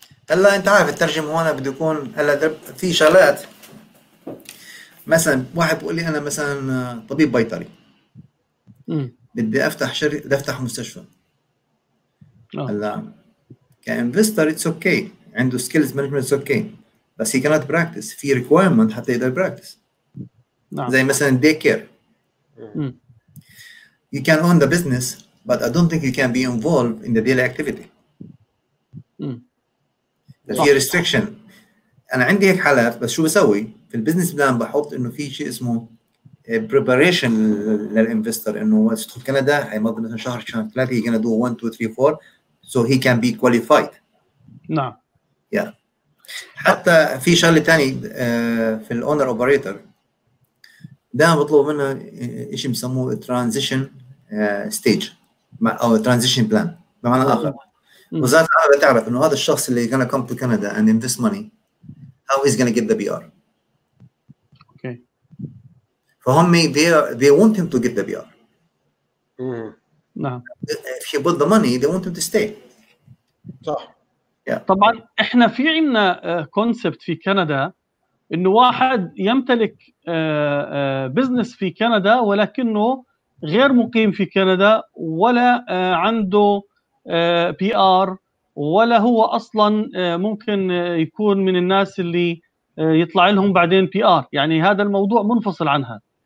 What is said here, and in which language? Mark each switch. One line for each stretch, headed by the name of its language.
Arabic: هلا انت عارف الترجمه هون بده يكون، هلا في شغلات مثلا واحد بيقول لي انا مثلا طبيب بيطري، بدي افتح شركه، بدي افتح مستشفى. هلا كانفستر اتس اوكي، عنده سكيلز مانجمنت اوكي، بس هي كانت براكتس، في ريكويرمنت حتى يقدر براكتس. نعم. زي مثلا الدي كير.
English: You can own the business, but I don't think you can be involved in the daily activity.
Arabic: في restriction. أنا عندي هيك حالات، بس شو بسوي؟ في البزنس بلان بحط إنه في شيء اسمه preparation للإنفستر، إنه وصلت كندا هاي مدة مثلاً شهر شهر ثلاثة،
English: he gonna do 1, 2, 3, 4, so he can be qualified.
Arabic: نعم.
English: Yeah.
Arabic: حتى في شغلة تاني في الأونر أوبريتر. ده بطلب منه إيش يسموه transition stage أو transition plan بمعنى آخر. وزارة العمل بتعرف إنه هذا الشخص اللي
English: gonna come to Canada and invest money, how he's gonna get the BR. Okay. فهم they want him to get the BR.
Arabic: نعم.
English: If he put the money, they want him to stay.
Arabic: صح.
English: Yeah.
Arabic: طبعًا إحنا في عنا concept في كندا. إنه واحد يمتلك بزنس في كندا ولكنه غير مقيم في كندا ولا عنده بي آر ولا هو أصلاً ممكن يكون من الناس اللي يطلع لهم بعدين بي آر، يعني هذا الموضوع منفصل عنها.